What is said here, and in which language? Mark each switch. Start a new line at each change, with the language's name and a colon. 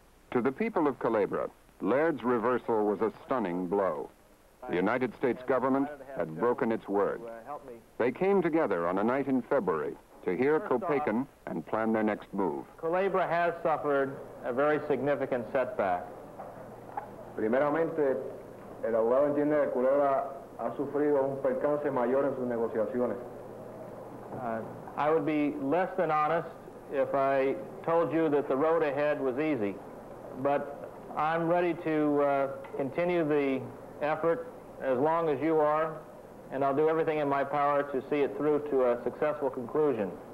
English: To the people of Culebra, Laird's reversal was a stunning blow. The United States government had broken its word. They came together on a night in February to hear Kopeikin and plan their next move. Culebra has suffered a very significant setback.
Spanish: Primeramente, el abogado entiende que Culebra ha sufrido un percance mayor en sus negociaciones.
English: I would be less than honest if I told you that the road ahead was easy, but I'm ready to continue the effort as long as you are, and I'll do everything in my power to see it through to a successful conclusion.